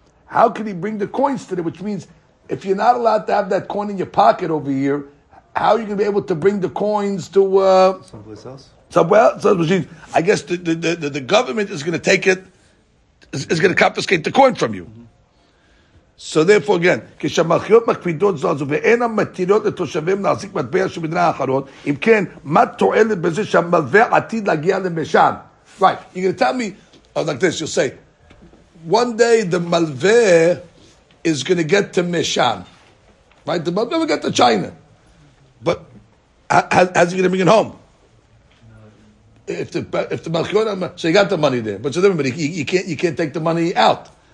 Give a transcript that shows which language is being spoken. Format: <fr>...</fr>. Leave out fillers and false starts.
<en>How can he bring the coins to them? Which means, if you're not allowed to have that coin in your pocket over here, how are you going to be able to bring the coins to... Someplace else? Somewhere else? I guess the government is going to take it, is going to confiscate the coin from you.</en> <he>So therefore, again, כשהמלכיות מקפידות זו הזו ואין המתירות לתושבים להזיק מטבע של מדינה אחרות, אם כן, מה תועלת בזה שהמלווה עתיד להגיע למשן?</he> <en>Right, you're going to tell me, like this, you'll say, one day the מלווה is going to get to משן. Right, the מלווה will get to China. But how's he going to bring it home? If the מלכיות, so he got the money there, but so everybody, you can't take the money out.</en>